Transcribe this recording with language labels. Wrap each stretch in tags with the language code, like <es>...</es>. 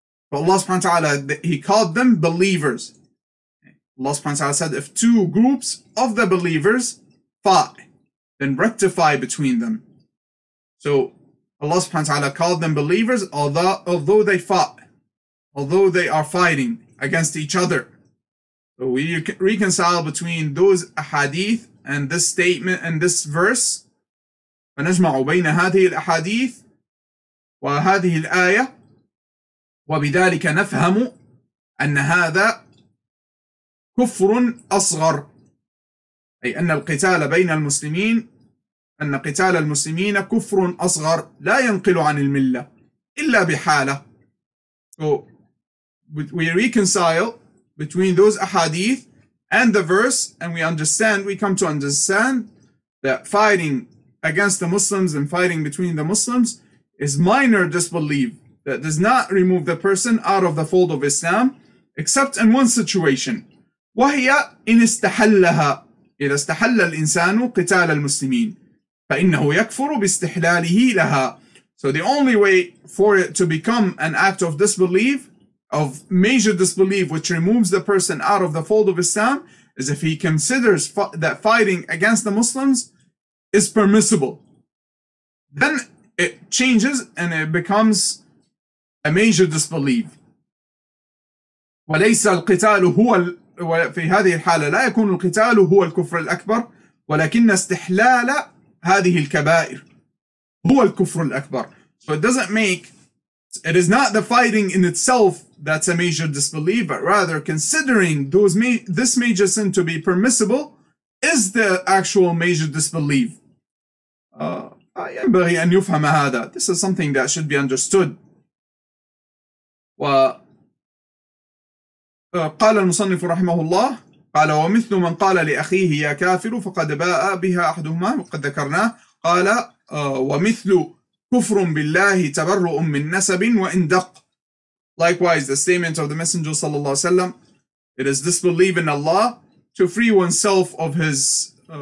<en>But Allah subhanahu wa ta'ala, he called them believers. Allah subhanahu wa ta'ala said, if two groups of the believers fight, then rectify between them. So Allah subhanahu wa ta'ala called them believers, although they are fighting against each other. So we reconcile between those ahadith and this statement and this verse.</en> <ar>فنجمع بين هذه الأحاديث وهذه الآية وبذلك نفهم أن هذا كفر أصغر أي أن القتال بين المسلمين أن قتال المسلمين كفر أصغر لا ينقل عن الملة إلا بحالة.</ar> <en>So we reconcile between those ahadith and the verse, and we come to understand that fighting against the Muslims and fighting between the Muslims is minor disbelief that does not remove the person out of the fold of Islam, except in one situation.</en> <ar>وهي إن استحلها إذا استحل الإنسان قتال المسلمين فإنه يكفر باستحلاله لها.</ar> <en>So the only way for it to become an act of disbelief, of major disbelief, which removes the person out of the fold of Islam, is if he considers that fighting against the Muslims is permissible. Then it changes and it becomes a major disbelief.</en> <ar>وليس القتال هو في هذه الحالة لا يكون القتال هو الكفر الأكبر ولكن استحلال هذه الكبائر هو الكفر الأكبر.</ar> <en>So it doesn't make, it is not the fighting in itself that's a major disbelief, but rather considering this major sin to be permissible is the actual major disbelief.</en> <ar>ينبغي أن يفهم هذا.</ar> <en>This is something that should be understood.</en> <ar>وقال المصنف رحمه الله قال ومثل من قال لأخيه يا كافر فقد باء بها أحدهما وقد ذكرناه. قال ومثل كفر بالله تبرؤ من نسب وإن دق.</ar> <en>Likewise, the statement of the Messenger sallallahu alaihi wasallam, it is disbelief in Allah to free oneself of his</en>